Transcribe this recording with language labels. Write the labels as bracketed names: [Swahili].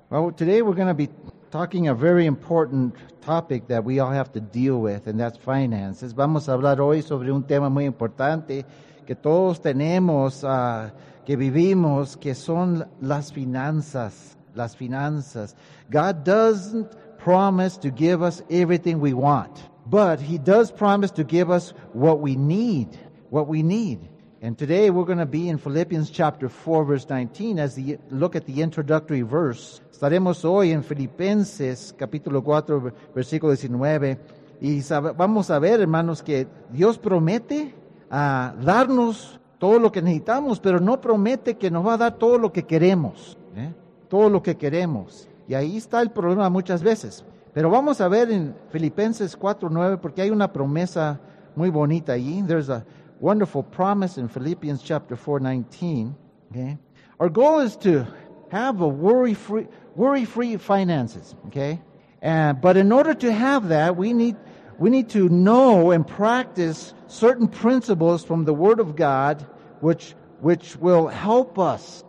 [English] Well, today we're going to be talking a very important topic that we all have to deal with, and that's finances. [Spanish] Vamos a hablar hoy sobre un tema muy importante que todos tenemos, que vivimos, que son las finanzas. Las finanzas. [English] God doesn't promise to give us everything we want, but He does promise to give us what we need. What we need. And today we're going to be in Philippians chapter 4, verse 19, as we look at the introductory verse. [Spanish] Estaremos hoy en Filipenses, capítulo 4, versículo 19. Y vamos a ver, hermanos, que Dios promete darnos todo lo que necesitamos, pero no promete que nos va a dar todo lo que queremos. ¿Eh? Todo lo que queremos. Y ahí está el problema muchas veces. Pero vamos a ver en Filipenses 4, 9, porque hay una promesa muy bonita allí. [English] There's a wonderful promise in Philippians chapter 4:19. Okay, our goal is to have a worry-free finances. Okay, but in order to have that, we need to know and practice certain principles from the Word of God, which will help us.